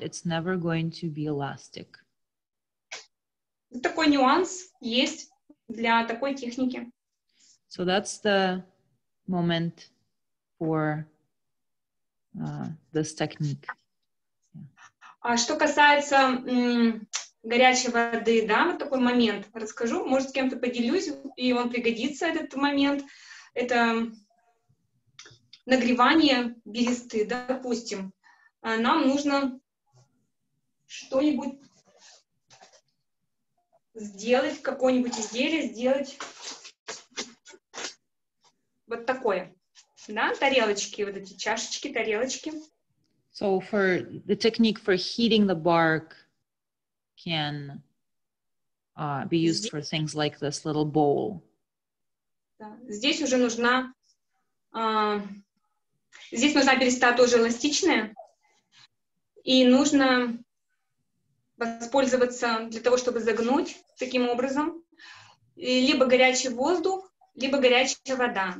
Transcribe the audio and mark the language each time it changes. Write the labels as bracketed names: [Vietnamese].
[English] It's never going to be elastic. [Russian] Такой нюанс есть для такой техники. [English] So that's the moment for this technique. [Russian] А что касается горячей воды, да, вот такой момент расскажу, может, с кем-то поделюсь, и он пригодится, этот момент. Это нагревание бересты, да, допустим. Нам нужно что-нибудь сделать, какое-нибудь изделие сделать. Вот такое, да, тарелочки, вот эти чашечки, тарелочки. [English] So for the technique for heating the bark can be used for things like this little bowl. [Russian] Здесь уже нужна, здесь нужна береста тоже эластичная, и нужно воспользоваться для того, чтобы загнуть таким образом, либо горячий воздух, либо горячая вода.